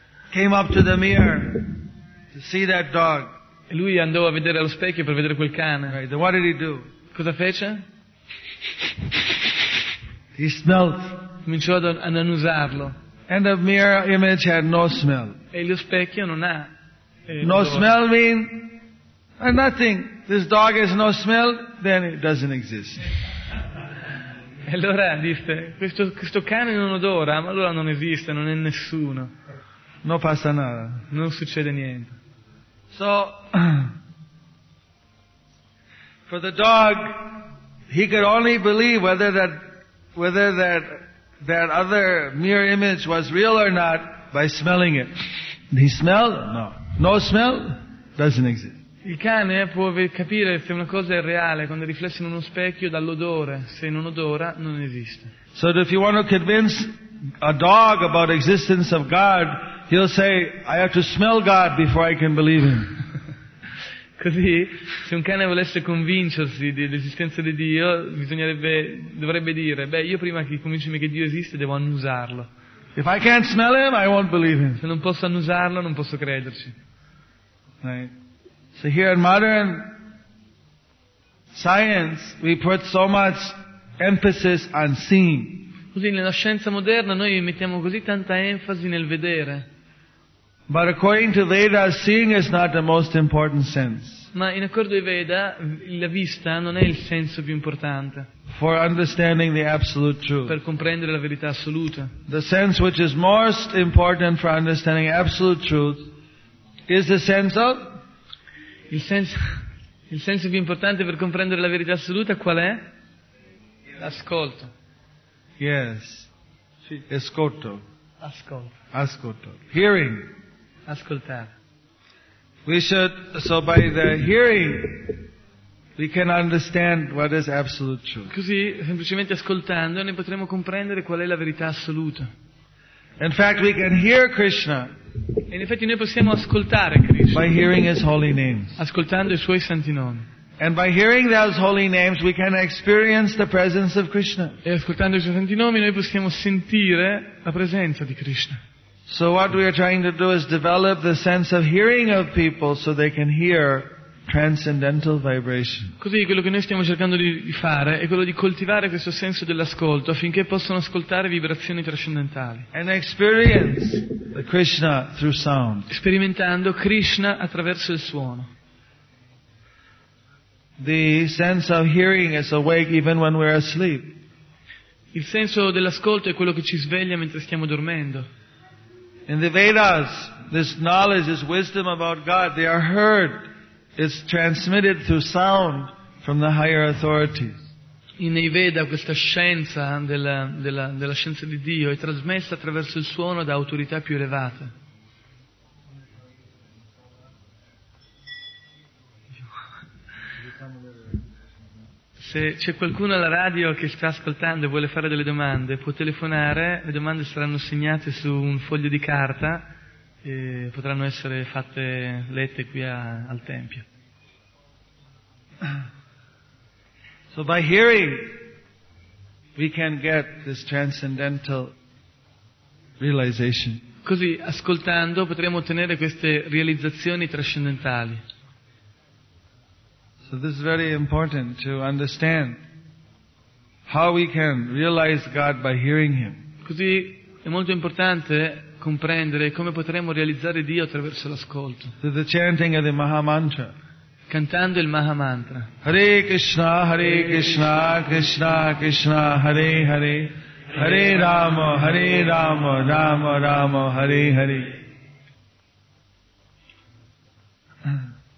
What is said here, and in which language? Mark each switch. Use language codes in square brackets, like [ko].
[en] Came up to the mirror to see that dog. [it] E lui andò a vedere allo specchio per vedere quel cane. [en] Right, then what did he do? [it] Cosa fece? [en] He smelled. [it] Cominciò ad annusarlo. [en] And the mirror image had no smell. [it] E lo specchio non ha. [en] No smell mean nothing. This dog has no smell, then it doesn't exist. [it] E allora disse, questo cane non odora, ma allora non esiste, non è nessuno. [es] No pasa nada. [it] Non succede niente. [en] So, for the dog, he could only believe whether that other mirror image was real or not by smelling it. He smelled? No. No smell? Doesn't exist. [it] Il cane può capire se una cosa è reale quando è riflessa in uno specchio dall'odore. Se non odora, non esiste. [en] So if you want to convince a dog about the existence of God, he'll say, I have to smell God before I can believe him. [it] Così, se un cane volesse convincersi dell'esistenza di Dio, dovrebbe dire, beh, io prima che convincimi che Dio esiste, devo annusarlo. [en] If I can't smell him, I won't believe him. [it] Se non posso annusarlo, non posso crederci. [en] Right. So here in modern science we put so much emphasis on seeing. [it] Così nella scienza moderna noi mettiamo così tanta enfasi nel vedere. [en] But according to Veda, seeing is not the most important sense. [it] Ma in accordo ai Veda, la vista non è il senso più importante. [en] For understanding the absolute truth. [it] Per comprendere la verità assoluta. [en] The sense which is most important for understanding absolute truth is the sense of [it] Il senso più importante per comprendere la verità assoluta qual è? L'ascolto. [en] Yes. [it] Ascolto. Ascolto. Ascolto. [en] Hearing. [it] Ascoltare. [en] We should, so by the hearing, we can understand what is absolute truth. [it] Così, semplicemente ascoltando, noi potremo comprendere qual è la verità assoluta. [en] In fact, we can hear Krishna. [it] E in effetti noi possiamo ascoltare Krishna. [en] By hearing his holy names. [it] Ascoltando i suoi santi nomi. [en] And by hearing those holy names we can experience the presence of Krishna. [it] E ascoltando i suoi santi nomi noi possiamo sentire la presenza di Krishna. [en] So what we are trying to do is develop the sense of hearing of people so they can hear transcendental vibration. [it] Così quello che noi stiamo cercando di fare è quello di coltivare questo senso dell'ascolto affinché possano ascoltare vibrazioni trascendentali. [en] And experience the Krishna through sound. [it] Sperimentando Krishna attraverso il suono. [en] The sense of hearing is awake even when we're asleep. [it] Il senso dell'ascolto è quello che ci sveglia mentre stiamo dormendo. [en] In the Vedas, this knowledge, this wisdom about God, they are heard. It's transmitted through sound from the higher authorities. [it] In i Veda questa scienza della scienza di Dio è trasmessa attraverso il suono da autorità più elevate. Se c'è qualcuno alla radio che sta ascoltando e vuole fare delle domande, può telefonare, le domande saranno segnate su un foglio di carta e potranno essere fatte lette qui al tempio. [en] So by hearing we can get this transcendental realization. [it] Così ascoltando potremo ottenere queste realizzazioni trascendentali. [en] So this is very important to understand how we can realize God by hearing him. [it] Così è molto importante comprendere come potremo realizzare Dio attraverso l'ascolto. [en] So the chanting of the Maha Mantra. [it] Cantando il Maha Mantra. [sa] Hare Krishna, Krishna Krishna, Hare Hare. Hare Rama, Rama Rama, Hare Hare.